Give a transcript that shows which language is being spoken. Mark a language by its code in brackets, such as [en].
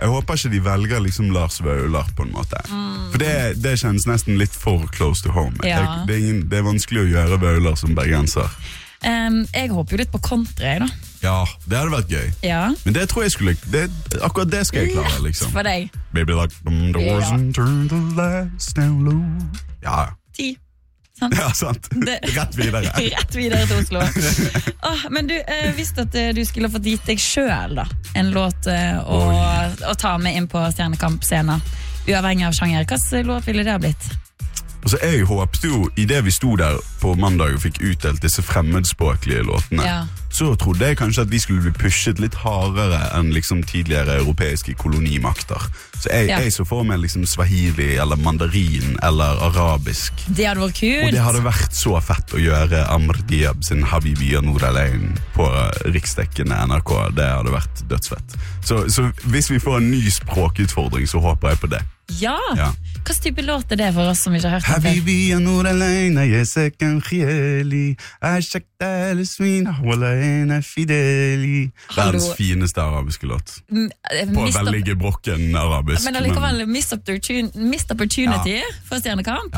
[no] Jeg håper ikke de velger liksom Lars Vaular på en måte. For det kjennes nesten litt for [en] close to home. [no] Ja. Det er vanskelig å gjøre Vaular som bergenser. Jeg håper jo litt på country da. Ja, det hadde vært gøy. Ja. Men det tror jeg skulle, akkurat det skal jeg klare liksom. For deg. [en] Baby lock the doors and turn the lights down low. [no] Ja. 10. Sant? Ja, sant. Rett videre. Rett videre til Oslo. Men du, visste at du skulle fått gitt deg selv da, en låt å ta med inn på Stjernekamp-scena, uavhengig av sjanger. Hvilken låt ville det ha blitt? Altså, jeg håpet jo, i det vi sto der på mandag og fikk utdelt disse fremmedspråklige låtene, ja, så trodde jeg kanskje at vi skulle bli pushet litt hardere enn liksom tidligere europeiske kolonimakter. Så jeg så for meg liksom swahili, eller mandarin, eller arabisk. Det hadde vært kult! Og det hadde vært så fett å gjøre Amr Diab sin Habibi og Nordalein på riksdekkende NRK. Det hadde vært dødsfett. Så hvis vi får en ny språkutfordring, så håper jeg på det. Ja! Ja. Hvilken type låt er det for oss som ikke har hørt den før? Habibi, jeg nur alene, jeg sikker en kjeli. Jeg sikker alle svine, holde ene fideli. Verdens fineste arabiske låt. På en veldig gebrokken arabisk. Men allikevel, [en] missed opportunity [no] for Stjernekamp.